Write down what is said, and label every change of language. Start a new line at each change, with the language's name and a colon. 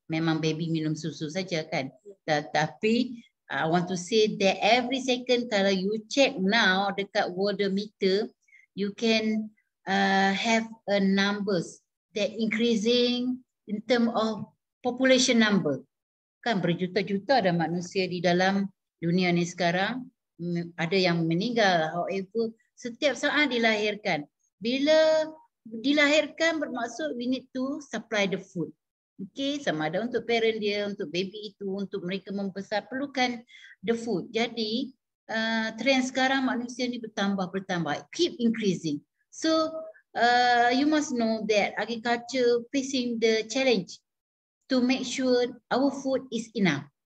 Malay: Memang baby minum susu saja kan? Tapi
English: I want to say that every second,
Malay: kalau
English: you check now
Malay: dekat
English: worldometer, you can have a numbers that increasing in term of population number.
Malay: Kan berjuta-juta ada manusia di dalam dunia ni sekarang. Ada yang meninggal.
English: However,
Malay: setiap saat dilahirkan. Bila dilahirkan bermaksud
English: we need to supply the food.
Malay: Okay, sama ada untuk parent dia, untuk baby itu, untuk mereka membesar, perlukan
English: the food.
Malay: Jadi, trend sekarang manusia ni bertambah-bertambah.
English: Keep increasing. So, you must know that agriculture facing the challenge to make sure our food is enough.